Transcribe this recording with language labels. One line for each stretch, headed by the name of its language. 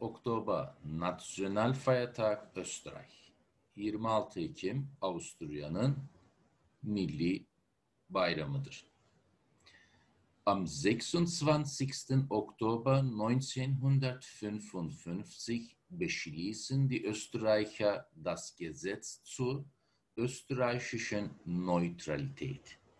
German: Oktober, National Feiertag Österreich.
Turkish: 26 Ekim, Avusturya'nın milli bayramıdır.
German: Am 26. Oktober 1955 beschließen die Österreicher das Gesetz zur österreichischen Neutralität.